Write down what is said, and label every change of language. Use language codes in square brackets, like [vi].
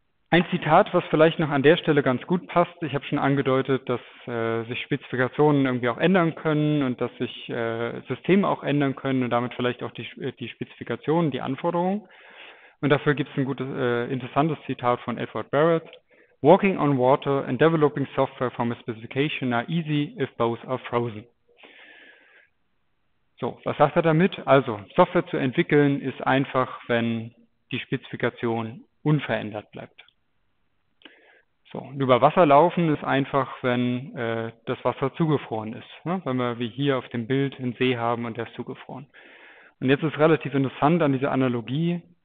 [de] Ein Zitat, was vielleicht noch an der Stelle ganz gut passt. Ich habe schon angedeutet, dass sich Spezifikationen irgendwie auch ändern können und dass sich Systeme auch ändern können und damit vielleicht auch die Spezifikationen, die Anforderungen. Und dafür gibt es ein gutes, interessantes Zitat von Edward Barrett. [en] Walking on water and developing software from a specification are easy if both are frozen. [de] So, was sagt er damit? Also, Software zu entwickeln ist einfach, wenn die Spezifikation unverändert bleibt. So, über Wasser laufen ist einfach, wenn das Wasser zugefroren ist. Ne? Wenn wir wie hier auf dem Bild einen See haben und der ist zugefroren. Und jetzt ist relativ interessant an dieser Analogie.